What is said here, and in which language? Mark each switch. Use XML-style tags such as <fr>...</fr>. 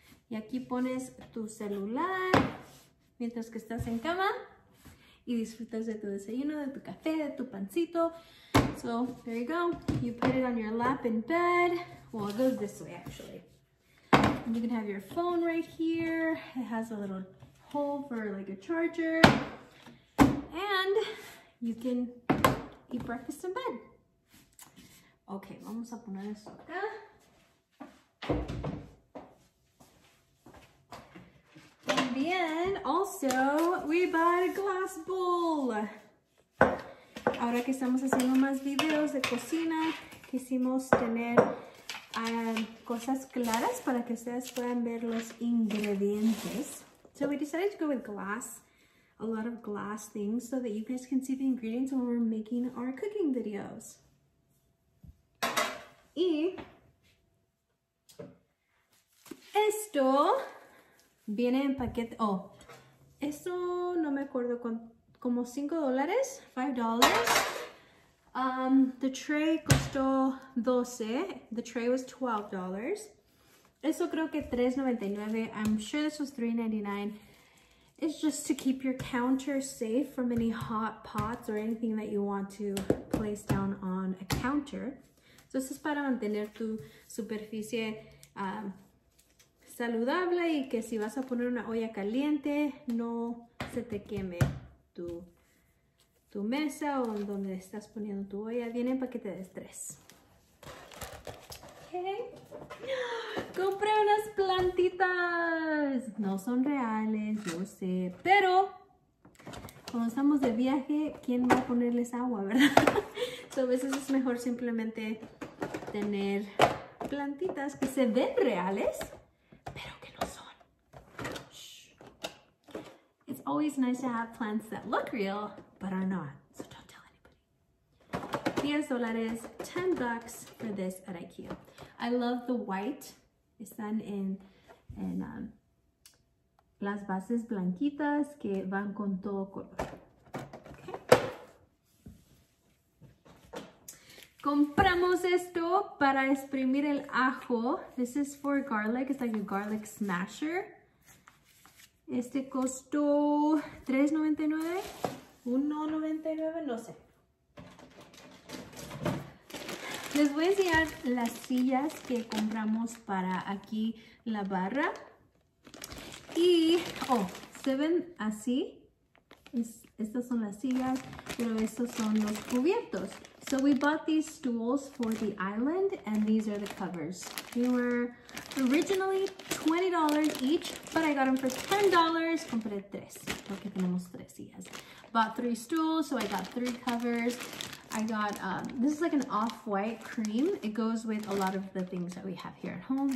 <es>Y aquí pones tu celular mientras que estás en cama y disfrutas de tu desayuno, de tu café, de tu pancito.</es> <en>So, there you go. You put it on your lap in bed. Well, it goes this way, actually. And you can have your phone right here. It has a little hole for like a charger. And you can eat breakfast in bed.</en> <es>Okay, vamos a poner esto acá.</es> <en>Bien, also, we bought a glass bowl.</en> <es>Ahora que estamos haciendo más videos de cocina, quisimos tener cosas claras para que ustedes puedan ver los ingredientes.</es> <en>So we decided to go with glass, a lot of glass things, so that you guys can see the ingredients when we're making our cooking videos.</en> <es>Y esto viene en paquete. Oh, esto no me acuerdo, como $5, $5.</es> <en>The tray costó 12, the tray was $12.</en> <es>Eso creo que</es> <en>$3.99, I'm sure this was $3.99. It's just to keep your counter safe from any hot pots or anything that you want to place down on a counter.</en> <es>So, esto es para mantener tu superficie saludable y que si vas a poner una olla caliente no se te queme tu mesa o donde estás poniendo tu olla. Viene en paquete de tres. Okay. Compré unas plantitas. No son reales, yo sé, pero como estamos de viaje, ¿quién va a ponerles agua, verdad? So, a veces es mejor simplemente tener plantitas que se ven reales.</es> <en>It's always nice to have plants that look real, but are not. So don't tell anybody. $10, $10 for this at IKEA. I love the white.</en> <es>Están en las bases blanquitas que van con todo color. Okay. Compramos esto para exprimir el ajo.</es> <en>This is for garlic. It's like a garlic smasher.</en> <es>Este costó $3.99, $1.99, no sé. Les voy a enseñar las sillas que compramos para aquí la barra. Y, oh, se ven así. Estas son las sillas, pero estos son los cubiertos.</es> <en>So we bought these stools for the island, and these are the covers. They were originally $20 each, but I got them for $10.</en> <es>Compré tres, porque tenemos tres sillas.</es> <en>Bought three stools, so I got three covers. I got, this is like an off-white cream. It goes with a lot of the things that we have here at home.</en>